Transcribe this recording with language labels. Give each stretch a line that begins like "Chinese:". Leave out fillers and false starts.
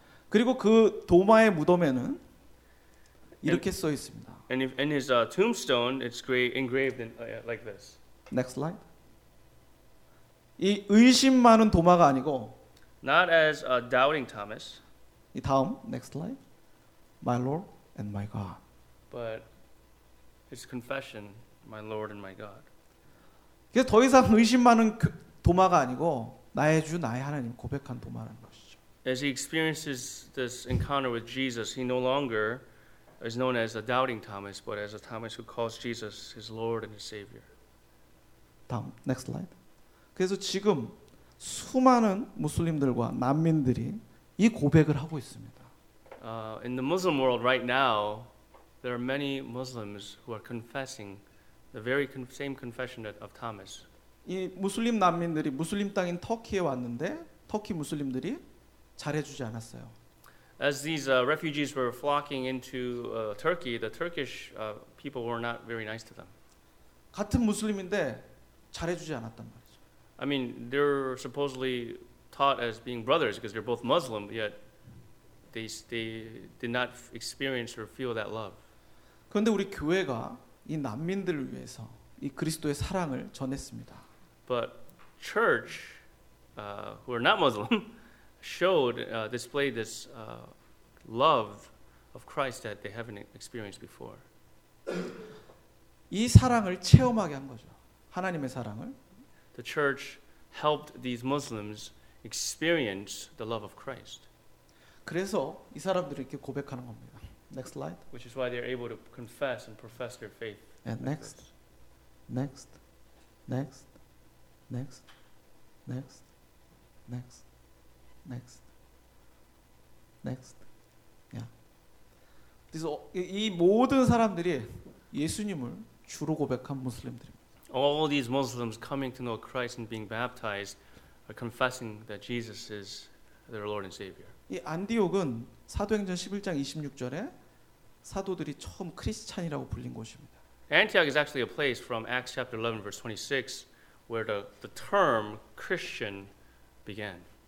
Korean: 그리고 그 도마의 무덤에는 이렇게 써 있습니다.
English: And in his tombstone, it's engraved in like this. Next slide.
Korean: 이 의심 많은 도마가 아니고.
English: Not as a doubting Thomas.
Korean: 이 다음
English: next slide. My Lord. And my God. But it's confession, my Lord and my God.
Korean: 그래서 더 이상 의심 많은 도마가 아니고 나의 주 나의 하나님 고백한 도마라는 것이죠.
English: As he experiences this encounter with Jesus, he no longer is known as a doubting Thomas, but as a Thomas who calls Jesus his Lord and his Savior.
Korean: 다음,
English: next slide.
Korean: 그래서 지금 수많은 무슬림들과 난민들이 이 고백을 하고 있습니다.
English: In the Muslim world right now, there are many Muslims who are confessing the very same confession of Thomas.
Korean: 이 무슬림 난민들이 무슬림 땅인 터키에 왔는데 터키 무슬림들이 잘해주지 않았어요.
English: As these refugees were flocking into Turkey, the Turkish people were not very nice to them.
Korean: 같은 무슬림인데 잘해주지 않았단 말이죠.
English: I mean, they're supposedly taught as being brothers because they're both Muslim, yet they did not experience or feel that love.
Korean: 그런데 우리 교회가 이 난민들을 위해서 이 그리스도의 사랑을 전했습니다.
English: But church, who are not Muslim, showed, displayed this love of Christ that they haven't experienced before.
Korean: 이 사랑을 체험하게 한 거죠. 하나님의 사랑을.
English: The church helped these Muslims experience the love of Christ.
Korean: 그래서 이 사람들이 이렇게 고백하는 겁니다.
English: Next slide. Which is why they are able to confess and profess their faith. And next. Next. Next. Next. Next. Next. Next. Next. Yeah.
Korean: 그래서 이 모든 사람들이 예수님을 주로 고백한 무슬림들입니다.
English: All these Muslims coming to know Christ and being baptized are confessing that Jesus is their Lord and Savior.
Korean: 이 안디옥은 사도행전 11장 26절에 사도들이 처음 크리스찬이라고 불린 곳입니다.
English: Antioch is actually a place from Acts chapter 11 verse 26 where the term Christian began.